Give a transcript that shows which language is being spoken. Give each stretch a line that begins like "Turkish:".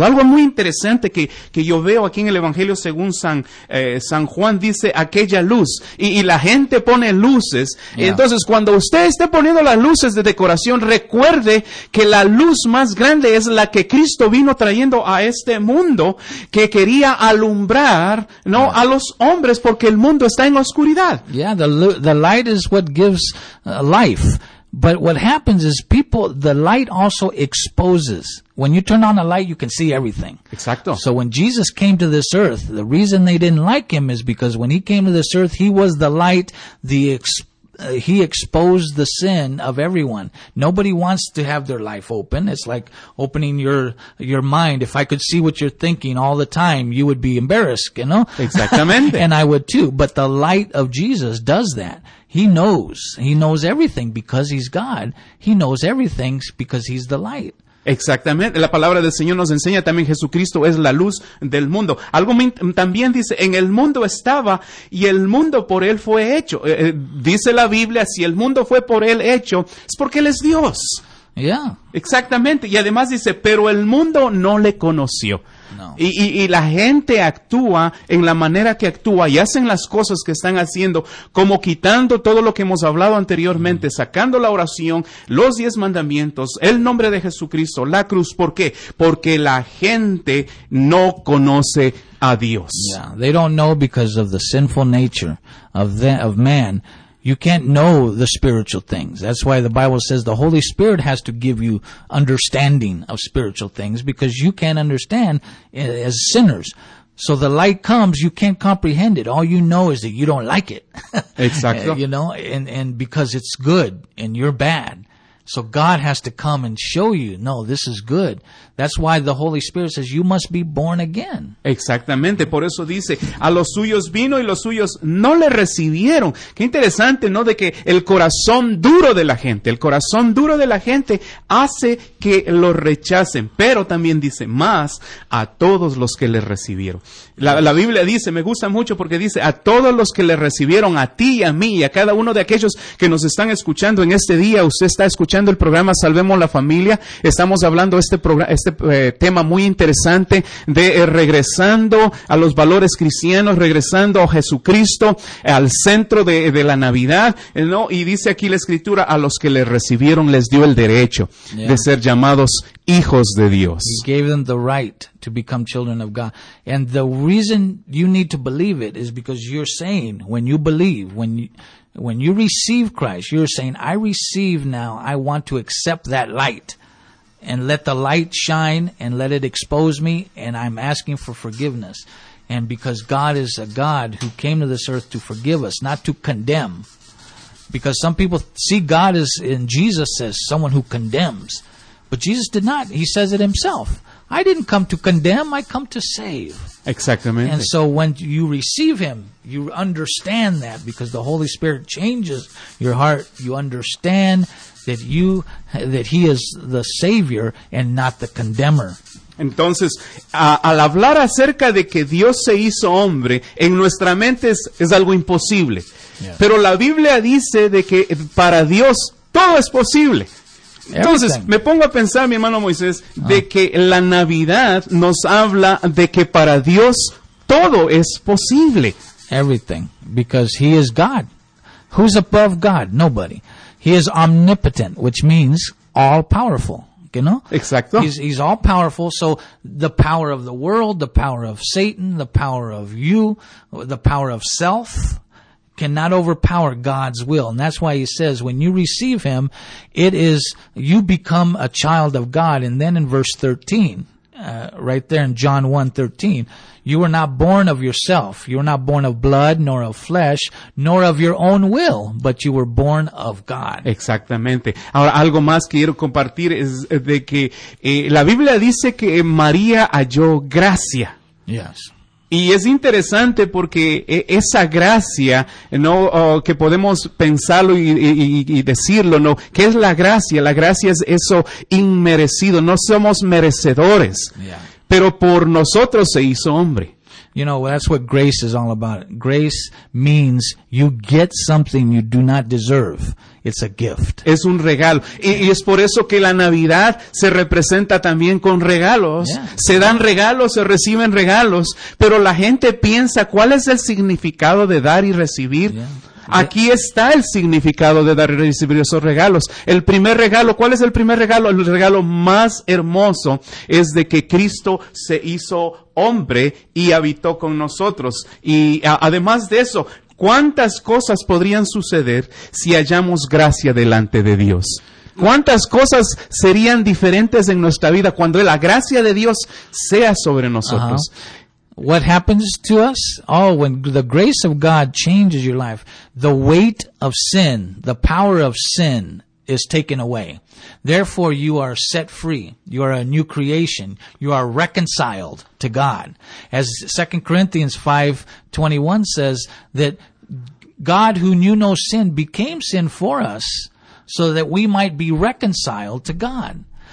Spanish: Algo muy interesante que yo veo aquí en el Evangelio según San Juan, dice aquella luz, y la gente pone luces. Yeah. Entonces, cuando usted esté poniendo las luces de decoración, recuerde que la luz más grande es la que Cristo vino trayendo a este mundo, que quería alumbrar, ¿no?, a los hombres, porque el mundo está en oscuridad.
English: Yeah, the light is what gives life. But what happens is the light also exposes. When you turn on a light, you can see everything.
Spanish: Exacto.
English: So when Jesus came to this earth, the reason they didn't like Him is because when He came to this earth, He was the light, He exposed the sin of everyone. Nobody wants to have their life open. It's like opening your mind. If I could see what you're thinking all the time, you would be embarrassed, you know?
Spanish: Exactamente.
English: And I would too. But the light of Jesus does that. He knows. He knows everything because He's God. He knows everything because He's the light.
Spanish: Exactamente. La palabra del Señor nos enseña también, Jesucristo es la luz del mundo. Algo también dice, en el mundo estaba y el mundo por Él fue hecho. Dice la Biblia, si el mundo fue por Él hecho, es porque Él es Dios.
English: Yeah.
Spanish: Exactamente. Y además dice, pero el mundo no le conoció. No. Y la gente actúa en la manera que actúa y hacen las cosas que están haciendo, como quitando todo lo que hemos hablado anteriormente, sacando la oración, los 10 mandamientos, el nombre de Jesucristo, la cruz. ¿Por qué? Porque la gente no conoce a Dios.
English: Yeah, they don't know because of the sinful nature of man. You can't know the spiritual things. That's why the Bible says the Holy Spirit has to give you understanding of spiritual things, because you can't understand as sinners. So the light comes, you can't comprehend it. All you know is that you don't like it. Exactly. You know, and because it's good and you're bad. So God has to come and show you, no, this is good. That's why the Holy Spirit says you must be born again.
Spanish: Exactamente. Por eso dice, a los suyos vino y los suyos no le recibieron. Qué interesante, ¿no? De que el corazón duro de la gente, el corazón duro de la gente hace que lo rechacen. Pero también dice, más a todos los que le recibieron. La Biblia dice, me gusta mucho porque dice, a todos los que le recibieron, a ti y a mí, y a cada uno de aquellos que nos están escuchando en este día, usted está escuchando el programa Salvemos la Familia. Estamos hablando de este tema muy interesante de regresando a los valores cristianos, regresando a Jesucristo, al centro de la Navidad, ¿no? Y dice aquí la Escritura, a los que le recibieron les dio el derecho de ser llamados hijos de Dios.
English: He gave them the right to become children of God. And the reason you need to believe it is because you're saying, when you believe, when you receive Christ, you're saying, I receive now, I want to accept that light. And let the light shine and let it expose me, and I'm asking for forgiveness. And because God is a God who came to this earth to forgive us, not to condemn. Because some people see God as, in Jesus, as someone who condemns. But Jesus did not. He says it himself. I didn't come to condemn, I come to save.
Spanish: Exactamente.
English: And so when you receive him, you understand that because the Holy Spirit changes your heart. You understand that he is the Savior and not the condemner.
Spanish: Entonces, al hablar acerca de que Dios se hizo hombre, en nuestra mente es algo imposible. Yeah. Pero la Biblia dice de que para Dios todo es posible. Entonces,
English: everything.
Spanish: Me pongo a pensar, mi hermano Moisés, de que la Navidad nos habla de que para Dios todo es posible.
English: Everything, because he is God. Who's above God? Nobody. He is omnipotent, which means all-powerful, you know?
Spanish: Exacto.
English: He's all-powerful, so the power of the world, the power of Satan, the power of you, the power of self cannot overpower God's will. And that's why he says when you receive him, it is you become a child of God. And then in verse 13, right there in John 1:13, you were not born of yourself. You were not born of blood, nor of flesh, nor of your own will, but you were born of God.
Spanish: Exactamente. Ahora, algo más que quiero compartir es de que la Biblia dice que María halló gracia.
English: Yes.
Spanish: Y es interesante porque esa gracia, ¿no? Que podemos pensarlo y decirlo, ¿no? ¿Qué es la gracia? La gracia es eso inmerecido. No somos merecedores.
English: Yeah.
Spanish: Pero por nosotros se hizo hombre.
English: You know, that's what grace is all about. Grace means you get something you do not deserve. It's a gift.
Spanish: Es un regalo. Y es por eso que la Navidad se representa también con regalos.
English: Yeah.
Spanish: Se dan regalos, se reciben regalos. Pero la gente piensa, ¿cuál es el significado de dar y recibir?
English: Yeah.
Spanish: Aquí está el significado de dar y recibir esos regalos. El primer regalo, ¿cuál es el primer regalo? El regalo más hermoso es de que Cristo se hizo hombre y habitó con nosotros. Y además de eso, ¿cuántas cosas podrían suceder si hallamos gracia delante de Dios? ¿Cuántas cosas serían diferentes en nuestra vida cuando la gracia de Dios sea sobre nosotros?
English: Uh-huh. What happens to us? Oh, when the grace of God changes your life, the weight of sin, the power of sin is taken away. Therefore, you are set free. You are a new creation. You are reconciled to God. As 2 Corinthians 5:21 says, that God who knew no sin became sin for us so that we might be reconciled to God.